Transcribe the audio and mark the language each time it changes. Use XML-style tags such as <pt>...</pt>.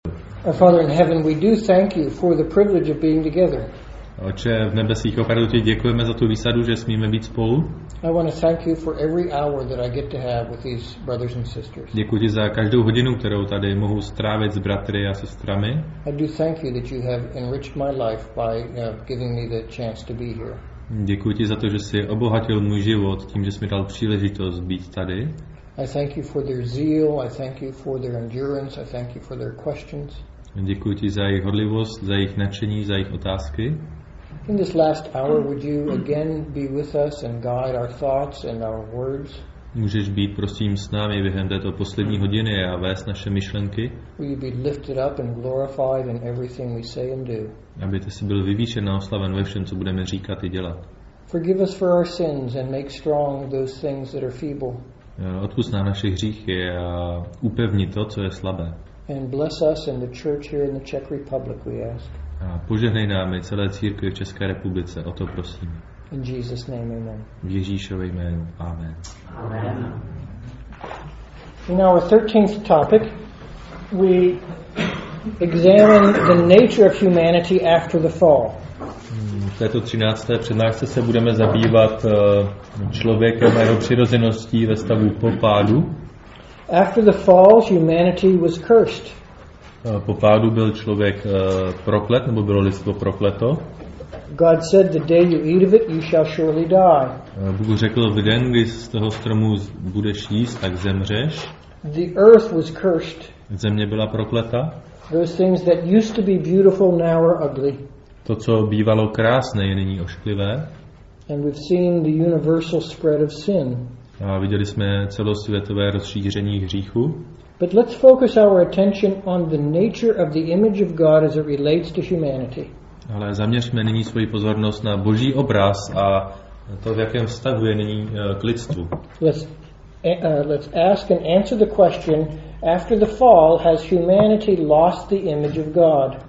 <en>Father in heaven, we do thank you for the privilege of being together.</en> <cs>Oče, v nebesích opravdu ti děkujeme za tu výsadu, že smíme být spolu.</cs> <en>I want to thank you for every hour that I get to have with these brothers and sisters.</en> <cs>Děkuji ti za každou hodinu, kterou tady mohu strávit s bratry a sestrami.</cs> <en>I do thank you that you have enriched my life by giving me the chance to be here.</en> <cs>Děkuji ti za to, že jsi obohatil můj život tím, že jsi mi dal příležitost být tady.</cs> <en>I thank you for their zeal, I thank you for their endurance, I thank you for their questions.</en> <cs>Děkuji ti za jejich horlivost, za jejich nadšení, za jejich otázky.</cs> <en>In this last hour, would you again be with us and guide our thoughts and our words?</en> <cs>Můžeš být prosím s námi během této poslední hodiny a vést naše myšlenky?</cs> <en>Will you be lifted up and glorified in everything we say and do?</en> <cs>Aby ty jsi byl vyvýšen a oslaven ve všem, co budeme říkat i dělat.</cs> <en>Forgive us for our sins and make strong those things that are feeble.</en> <cs>Odpusť nám naše hříchy a upevni to, co je slabé.</cs> <en>And bless us and the church here in the Czech Republic, we ask.</en> <cs>A požehnej nám i celé církvi v České republice, o to prosím.</cs> <en>In Jesus name, amen.</en> <cs>V Ježíšově jménu, amen.</cs> <en>In our 13th topic, we examine the nature of humanity after the fall.</en> <cs>V této 13. přednášce se budeme zabývat člověkem a jeho přirozeností ve stavu po pádu.</cs> <en>After the fall, humanity was cursed.</en> <cs>Po pádu byl člověk proklet, nebo bylo lidstvo prokleto.</cs> <en>God said, the day you eat of it, you shall surely die.</en> <cs>Bůh řekl, v den, kdy z toho stromu budeš jíst, tak zemřeš.</cs> <en>The earth was cursed.</en> <cs>Země byla prokleta.</cs> <en>Those things that used to be beautiful now are ugly.</en> <cs>To, co bývalo krásné, je nyní ošklivé.</cs> <en>And we've seen the universal spread of sin.</en> <cs>A viděli jsme celosvětové rozšíření hříchu.</cs> <en>But let's focus our attention on the nature of the image of God as it relates to humanity.</en> <cs>Ale zaměřme nyní svoji pozornost na Boží obraz a to, v jakém vztahu je nyní k lidstvu.</cs> <en>Let's ask and answer the question, after the fall, has humanity lost the image of God?</en>